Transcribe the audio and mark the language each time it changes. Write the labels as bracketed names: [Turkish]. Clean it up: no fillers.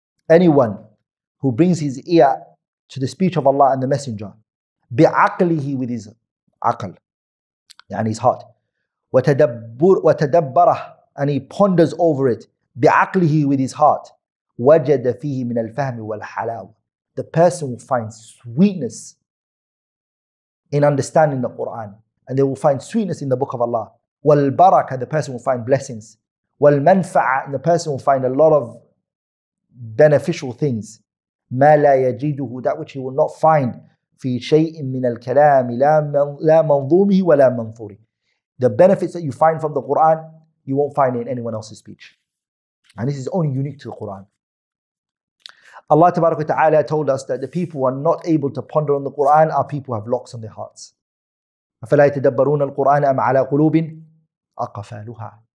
[English] Anyone who brings his ear to the speech of Allah and the Messenger, بِعَقْلِهِ, with his aql, يعني his heart, وَتَدَبَّرَهِ, and he ponders over it, بِعَقْلِهِ, with his heart, [Arabic] وَجَدَ فِيهِ مِنَ الْفَهْمِ وَالْحَلَاوِ. [English] The person will find sweetness in understanding the Quran, and they will find sweetness in the book of Allah. والبركة, the person will find blessings. والمنفعة, and the person will find a lot of beneficial things. [Arabic] ما لا يجده, [English] that which he will not find, [Arabic] في شيء من الكلام لا منظومه ولا منظوري. [English] The benefits that you find from the Quran, you won't find in anyone else's speech. And this is only unique to the Quran. Allah tabarak wa ta'ala told us that the people who are not able to ponder on the Quran are people who have locks on their hearts. [Arabic] أَفَلَا يَتَدَبَّرُونَ الْقُرْآنَ أَمْ عَلَىٰ قُلُوبٍ أَقَفَالُهَا.